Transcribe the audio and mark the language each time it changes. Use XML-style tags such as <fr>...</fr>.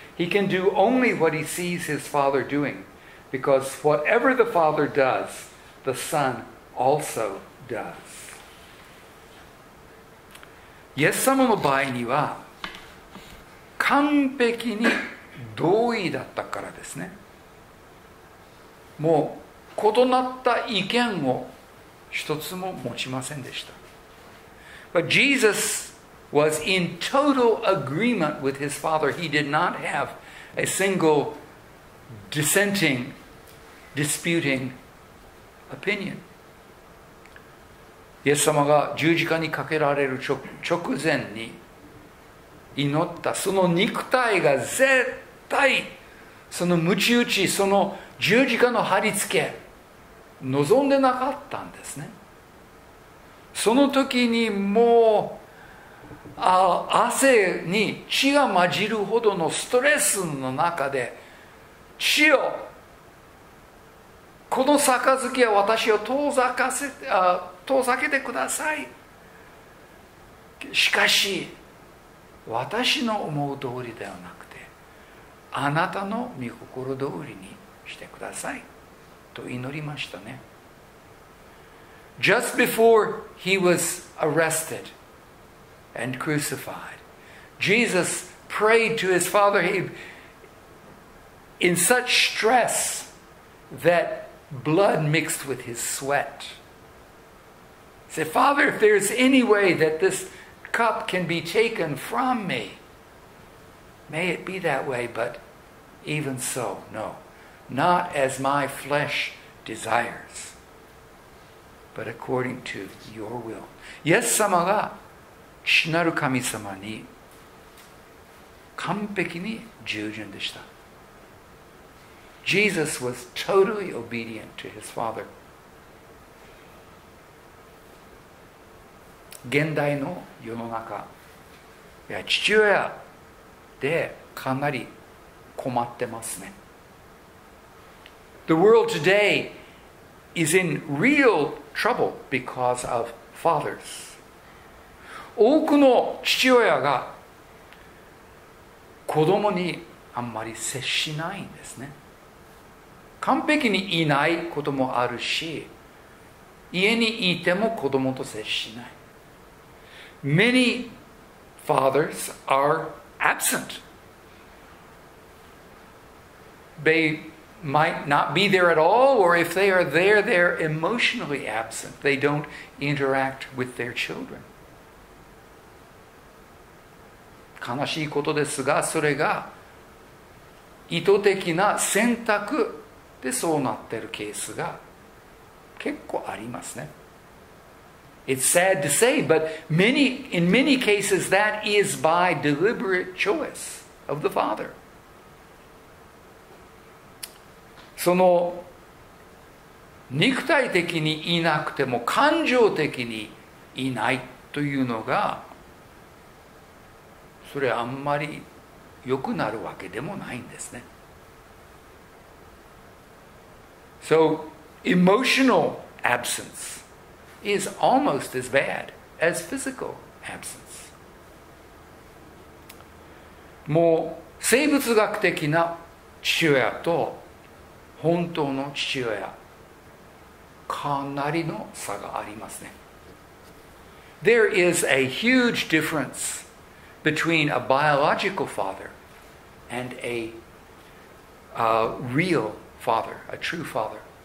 <en>He can do only what he sees his Father doing. Because whatever the Father does, the Son also does.</en> <ja>イエス様の場合には完璧に同意だったからですね。もう異なった意見を一つも持ちませんでした。</ja> <en>But Jesus was in total agreement with his Father. He did not have a single dissenting, disputing opinion.</en> <ja>イエス様が十字架にかけられる直前に祈ったその肉体が絶対その鞭打ちその十字架の貼り付け望んでなかったんですね。その時にもう汗に血が混じるほどのストレスの中で血をこの杯は私を遠ざけてください。しかし私の思う通りではなくてあなたの御心通りにしてくださいと祈りましたね。</ja> <en>Just before he was arrested and crucified, Jesus prayed to his Father in such stress that blood mixed with his sweat. He said, Father, if there's any way that this cup can be taken from me, may it be that way, but even so, no, not as my flesh desires, but according to your will.</en> <ja>イエス様が父なる神様に完璧に従順でした。</ja> <en>Jesus was totally obedient to his Father.</en> <ja>現代の世の中、いや父親でかなり困ってますね。</ja> <en>The world today is in real trouble because of fathers.</en> <ja>多くの父親が子供にあんまり接しないんですね。完璧にいないこともあるし、家にいても子供と接しない。</ja> <en>Many fathers are absent. They might not be there at all, or if they are there, they're emotionally absent. They don't interact with their children.</en> <ja>悲しいことですが、それが意図的な選択でそうなってるケースが結構ありますね。</ja> <en>It's sad to say, but in many cases, that is by deliberate choice of the father.</en> <ja>その肉体的にいなくても感情的にいないというのが、それあんまり良くなるわけでもないんですね。</ja> <en>So emotional absence is almost as bad as physical absence。</en> <ja>もう生物学的な父親と本当の父親、かなりの差がありますね。</ja> <en>There is a huge difference between a biological father and a real father, a true father。</en>